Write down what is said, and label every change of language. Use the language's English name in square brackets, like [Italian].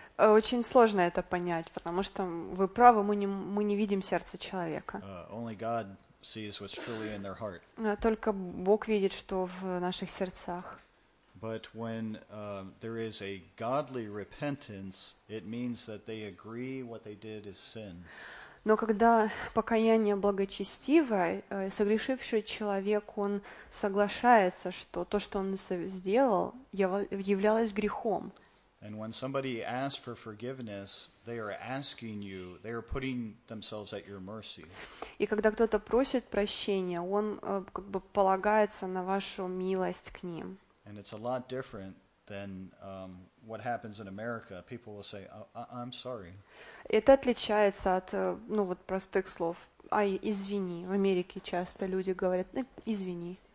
[Russian] Очень сложно это понять, потому что вы правы, мы не видим сердце человека. [English] Only God sees what's truly in their heart. [Russian] Только Бог видит, что в наших сердцах. [English] But when there is a godly repentance, it means that they agree what they did is sin. [Russian] Но когда покаяние благочестивое, согрешивший человек, он соглашается, что то, что он сделал, являлось грехом. [English] And when somebody asks for forgiveness, they are asking you, they are putting themselves at your mercy. [Russian] И когда кто-то просит прощения, он как бы полагается на вашу милость к ним. [English] And it's a lot different than what happens in America. People will say, I'm sorry. [Russian] Это отличается от, ну вот, простых слов. Ай, извини. В Америке часто люди говорят, извини.